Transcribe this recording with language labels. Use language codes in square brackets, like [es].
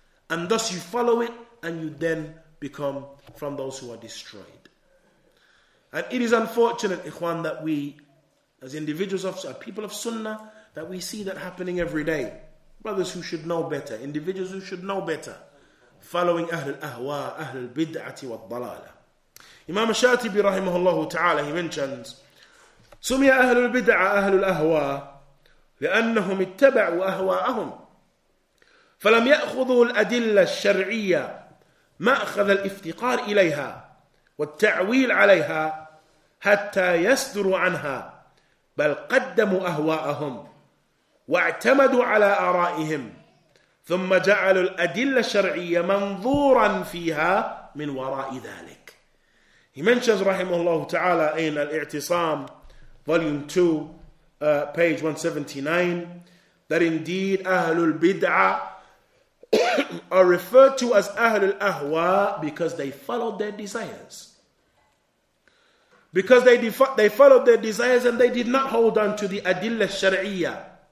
[en] And thus you follow it, and you then become from those who are destroyed. And it is unfortunate, ikhwan, that we, as individuals of people of sunnah, that we see that happening every day. Brothers who should know better, individuals who should know better, following Ahlul Ahwa, Ahlul Bid'ati wa Dalala. [ar] Imam Shatibi, rahimahullah ta'ala, [en] he mentions, [ar] سُمِيَ أَهْلُ الْبِدْعَ أَهْلُ الْأَهْوَى لِأَنَّهُمْ اتَّبَعُوا أَهْوَاءَهُمْ فَلَمْ يَأْخُذُوا الْأَدِلَّ الشَّرْعِيَّةِ مَأْخَذَ الْإِفْتِقَارِ إِلَيْهَا والتعويل عليها حتى يصدروا عنها بل قدموا أهواءهم واعتمدوا على آرائهم ثم جعلوا الأدلة الشرعية منظورا فيها من وراء ذلك. [en] He mentions, [ar] رحمه الله تعالى, [en] in Al-Ihtisam, volume 2, page 179, that indeed Ahlul Bid'ah are referred to as Ahlul Ahwa because they followed their desires. Because they followed their desires and they did not hold on to the Adilla Shar'iyya.